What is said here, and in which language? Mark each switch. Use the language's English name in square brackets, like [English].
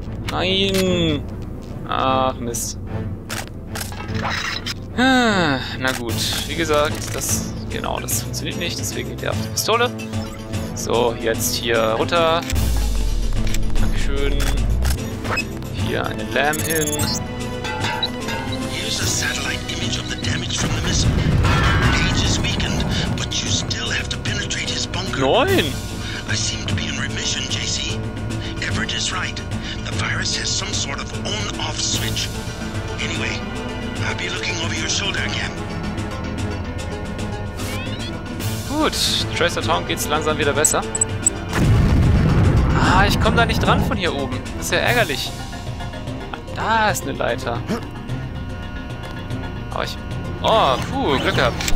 [German] Nein! Ach, Mist. Na gut, wie gesagt, das... Genau, das funktioniert nicht, deswegen geht der auf die Pistole. So, jetzt hier runter. Dankeschön. Hier einen Lamb hin. [English] Here's a satellite image of the damage from the missile. Page is weakened, but you still have to penetrate his bunker. [German] Nein! [English] I seem to be in remission, JC. Everett is right. The virus has some sort of on-off switch. Anyway, I'll be looking over your shoulder again. [German] Gut, Tracer Town geht's langsam wieder besser. Ah, ich komme da nicht dran von hier oben. Das ist ja ärgerlich. Da ist eine Leiter. Aber ich... Oh, puh, Glück gehabt.